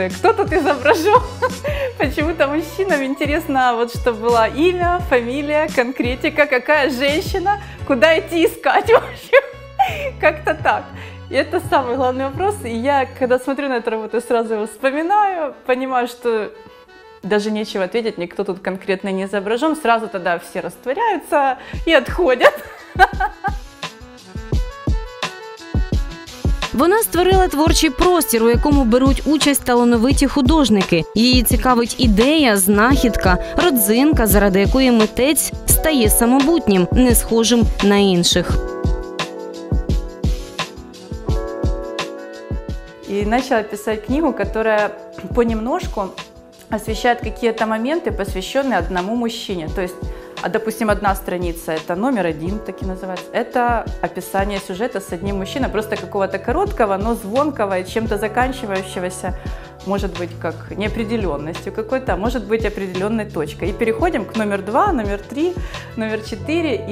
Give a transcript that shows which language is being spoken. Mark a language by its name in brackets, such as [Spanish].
[Russian] Кто тут изображен? Почему-то мужчинам интересно, вот что было имя, фамилия, конкретика, какая женщина, куда идти искать вообще. Как-то так. И это самый главный вопрос. И я, когда смотрю на эту работу, сразу его вспоминаю, понимаю, что даже нечего ответить, никто тут конкретно не изображен. Сразу тогда все растворяются и отходят. [Ukrainian] Вона створила творчий простір, у якому беруть участь талановиті художники. Її цікавить ідея, знахідка, родзинка, заради якої митець стає самобутнім, не схожим на інших. І почала писати книгу, яка понемножку освіщає якісь моменти, посвящені одному мужчині. [Russian] Тобто, а, допустим, одна страница – это номер один, так и называется. Это описание сюжета с одним мужчиной, просто какого-то короткого, но звонкого и чем-то заканчивающегося, может быть, как неопределенностью какой-то, а может быть, определенной точкой. И переходим к номер два, номер три, номер четыре.